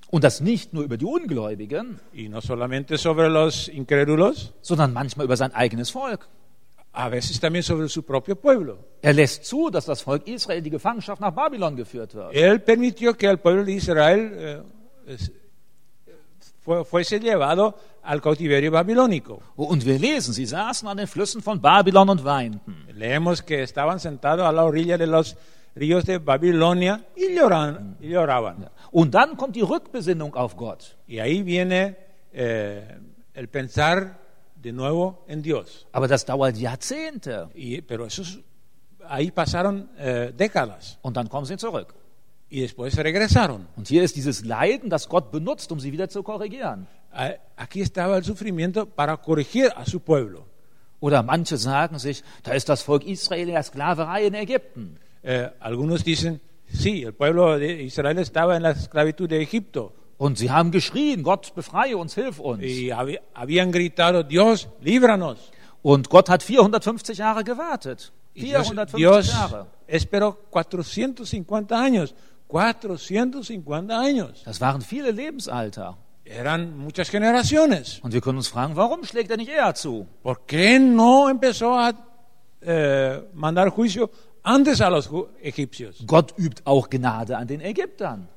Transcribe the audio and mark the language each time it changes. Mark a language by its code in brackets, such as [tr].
[de] Und das nicht nur über die Ungläubigen, [es] y no solamente sobre los incrédulos, [de] sondern manchmal über sein eigenes Volk. [es] A veces también sobre su propio pueblo. [de] Er lässt zu, dass das Volk Israel in die Gefangenschaft nach Babylon geführt wird. [es] Él permitió que el pueblo de Israel fuese llevado al cautiverio babilónico. [de] Und wir lesen, sie saßen an den Flüssen von Babylon und weinten. [es] Leemos que estaban sentados a la orilla de los ríos de Babilonia y lloraban. [de] Und dann kommt die Rückbesinnung auf Gott. [es] Y ahí viene el pensar de nuevo en Dios. [de] Aber das dauert Jahrzehnte. [es] Pero eso es, ahí pasaron décadas. [de] Und dann kommen sie zurück. [es] Y después regresaron. [de] Und hier ist dieses Leiden, das Gott benutzt, um sie wieder zu korrigieren. [es] Aquí estaba el sufrimiento para corregir a su pueblo. [de] Oder manche sagen sich, da ist das Volk Israel in der Sklaverei in Ägypten. [es] Algunos dicen, sí, el pueblo de Israel estaba en la esclavitud de Egipto. [de] Und sie haben geschrien, Gott befreie uns, hilf uns. [es] Y habían gritado, Dios, líbranos. [de] Und Gott hat 450 Jahre gewartet. [es] 450 Dios Jahre. Esperó 450 años. 450 años. [de] Das waren viele Lebensalter. [es] Eran muchas generaciones. [de] Und wir können uns fragen, warum schlägt er nicht eher zu? [es] ¿Por qué no empezó a mandar juicio antes a los egipcios? [de] Gott übt auch Gnade an den Ägyptern.